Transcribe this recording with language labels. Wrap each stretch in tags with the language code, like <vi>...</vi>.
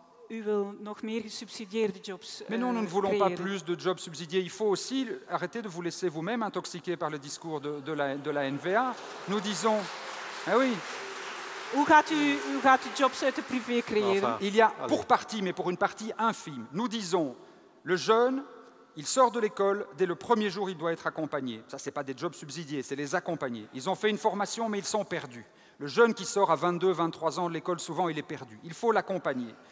<nl>U wil nog meer gesubsidieerde jobs.</nl> <fr>Mais non, nous ne voulons pas plus de jobs subsidiés. Il faut aussi arrêter de vous laisser vous-même intoxiquer par le discours de la NVA. Nous disons... Eh oui.</fr> <nl>Hoe gaat u jobs uit de privé creëren?</nl> <fr>Enfin, il y a pour partie, mais pour une partie infime. Nous disons, le jeune, il sort de l'école, dès le premier jour, il doit être accompagné. Ça, c'est pas des jobs subsidiés, c'est les accompagner. Ils ont fait une formation, mais ils sont perdus. Le jeune qui sort à 22, 23 ans de l'école, souvent, il est perdu. Il faut l'accompagner.</fr>